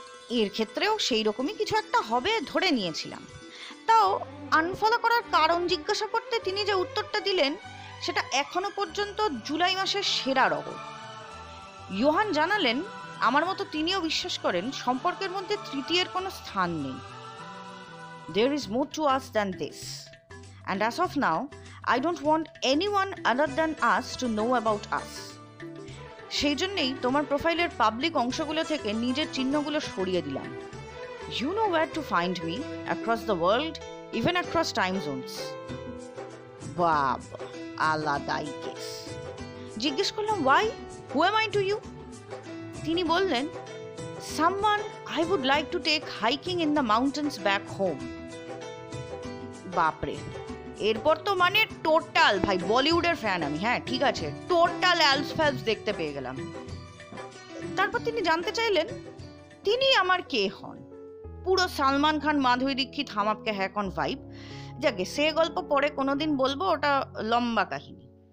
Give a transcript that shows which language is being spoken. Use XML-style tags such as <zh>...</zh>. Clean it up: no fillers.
<bn>এর ক্ষেত্রেও সেই রকমই কিছু একটা হবে ধরে নিয়েছিলাম। তাও আনফলো করার কারণ জিজ্ঞাসা করতে তিনি যে উত্তরটা দিলেন সেটা এখনো পর্যন্ত জুলাই মাসের সেরা রহস্য। ইয়োহান জানালেন, আমার মতো তিনিও বিশ্বাস করেন সম্পর্কের মধ্যে তৃতীয়ের কোনো স্থান নেই।</bn> <en>There is more to us than this. And as of now, I don't want anyone other than us to know about us.</en> <bn>সেই জন্যই তোমার প্রোফাইলের পাবলিক অংশগুলো থেকে নিজের চিহ্নগুলো সরিয়ে দিলাম।</bn> <en>You know where to find me, across the world, even across time zones.</en> <bn>বাব, আলাদাই কেস। জিজ্ঞেস করলাম, why?</bn> <en>Who am I to you?</en> <bn>তিনি বললেন,</bn> <en>someone I would like to take hiking in the mountains back home.</en> <bn>বাপরে, এরপর তো মানে টোটাল ভাই বলিউডের ফ্যান আমি, হ্যাঁ ঠিক আছে, টোটাল অ্যালস ফ্যালস দেখতে পেয়ে গেলাম। তারপর তিনি জানতে চাইলেন, তিনি আমার কে হন? পুরো সালমান খান, মাধুরী দীক্ষিত, হাম আপকে হ্যায় কন ভাইব। যাকে সে গল্প পরে কোনোদিন বলবো, ওটা লম্বা কাহিনী।</bn>